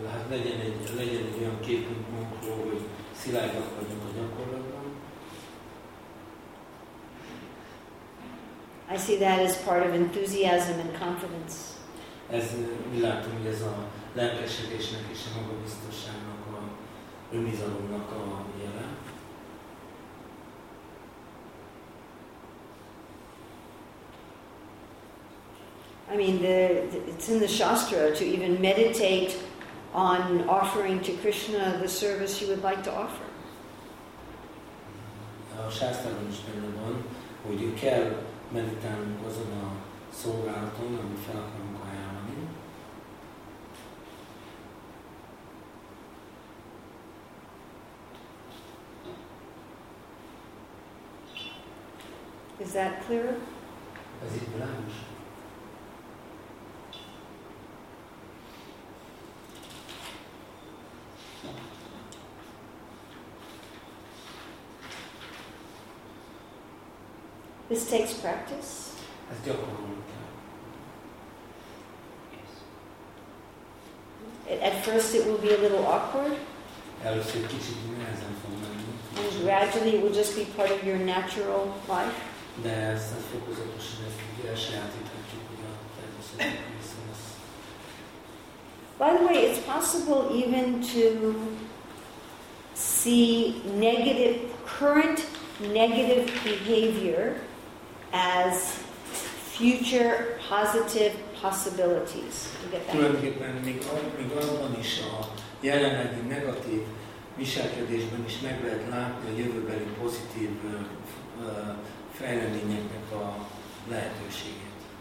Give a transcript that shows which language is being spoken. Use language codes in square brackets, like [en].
[hu] Legyen egy olyan képünk magunkról, hogy szilárdak vagyunk a gyakorlatban. [en] I see that as part of enthusiasm and confidence. [hu] Ez mi látom, hogy ez a lelkesedésnek és a magabiztosságnak, a önbizalomnak a jele. [en] I mean, it's in the Shastra to even meditate on offering to Krishna the service you would like to offer. [hu] A Shastra-ban is benne van, hogy kell meditálnunk azon a szolgálaton, amit fel akarunk ajánlani. [en] Is that clear? [hu] Ez így világos. [en] This takes practice. [hu] Ez gyakorolni kell. [en] At first it will be a little awkward. [hu] Először kicsit nehezen fog menni. [en] And gradually it will just be part of your natural life. [hu] De ezt fokozatosan elsajátíthatjuk, hogy a természetben viszont lesz. [en] By the way, it's possible even to see negative, current negative behavior as future positive possibilities. [hu] Tulajdonképpen még abban is a jelenlegi negatív viselkedésben is meg lehet látni a jövőbeli pozitív fejleményeknek a lehetőségét.